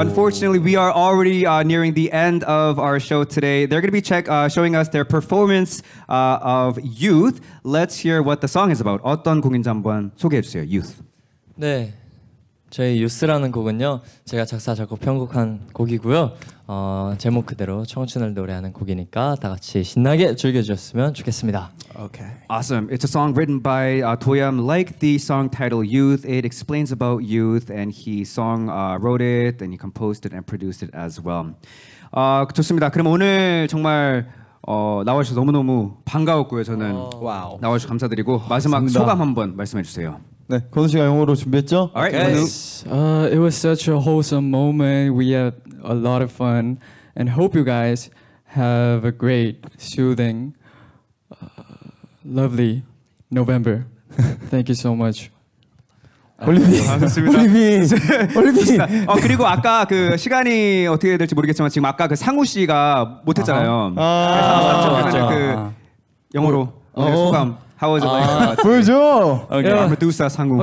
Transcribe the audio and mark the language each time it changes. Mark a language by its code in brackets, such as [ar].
[en] Unfortunately, we are already nearing the end of our show today. They're going to be showing us their performance of Youth. Let's hear what the song is about. [ko] 어떤 곡인지 한번 소개해주세요, [en] Youth. [ko] 네, 저희 유스라는 곡은요. 제가 작사, 작곡, 편곡한 곡이고요. 제목 그대로 청춘을 노래하는 곡이니까 다 같이 신나게 즐겨주셨으면 좋겠습니다. Okay. Awesome. It's a song written by Toyam. Like the song title Youth, it explains about youth and he song wrote it and he composed it and produced it as well. 좋습니다. 그럼 오늘 정말 나와주셔서 너무너무 반가웠고요. 저는 [en] wow. [ko] 나와주셔서 감사드리고 마지막 감사합니다. 소감 한번 말씀해주세요. 네, 건우 씨가 영어로 준비했죠? [en] Alright, yes. It was such a wholesome moment. We had a lot of fun, and hope you guys have a great, soothing, lovely November. Thank you so much. [ko] 올리비아, 올리비아, 올리비아. 그리고 아까 그 시간이 어떻게 될지 모르겠지만 지금 아까 그 상우 씨가 못했잖아요. 아, 맞죠, 맞죠. 그 영어로 소감. [en] How was it? [ko] 보여줘. [en] Okay. Yeah. MEDUSA 상우.